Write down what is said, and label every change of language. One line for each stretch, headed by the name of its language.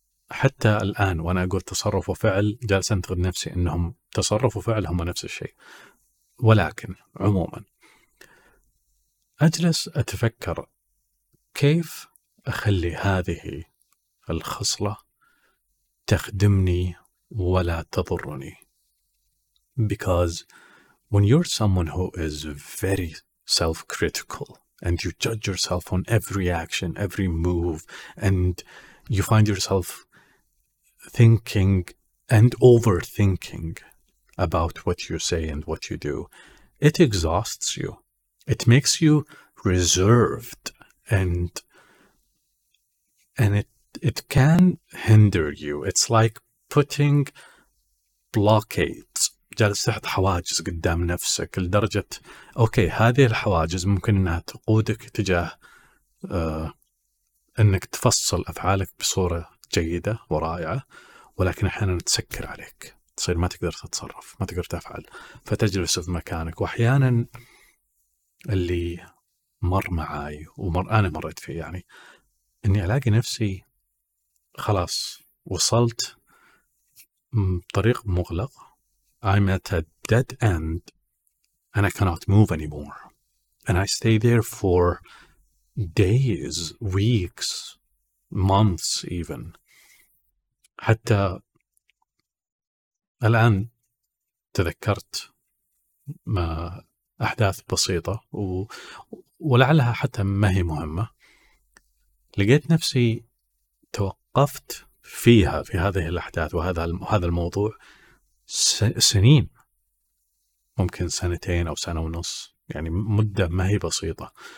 Arabic: حتى الآن وأنا أقول تصرف وفعل جالس أنتقد نفسي أنهم تصرف وفعل هم نفس الشيء، ولكن عموما أجلس أتفكر كيف أخلي هذه الخصلة تخدمني ولا تضرني.
English: Because when you're someone who is very self-critical and you judge yourself on every action, every move, and you find yourself thinking and overthinking about what you say and what you do, it exhausts you. It makes you reserved, and it can hinder you. It's like putting blockades.
Arabic: جالس تحط حواجز قدام نفسك لدرجة أوكي هذه الحواجز ممكن أنها تقودك تجاه أنك تفصل أفعالك بصورة جيدة ورائعة، ولكن أحيانا تسكر عليك، تصير ما تقدر تتصرف، ما تقدر تفعل، فتجلس في مكانك. وأحيانا اللي مر معاي أنا مريت فيه، يعني أني ألاقي نفسي خلاص وصلت طريق مغلق،
English: I'm at a dead end and I cannot move anymore. And I stay there for days, weeks, months even.
Arabic: حتى الآن تذكرت ما أحداث بسيطة ولعلها حتى ما هي مهمة. لقيت نفسي توقفت فيها في هذه الأحداث وهذا الموضوع سنين، ممكن سنتين أو سنة ونص، يعني مدة ما هي بسيطة.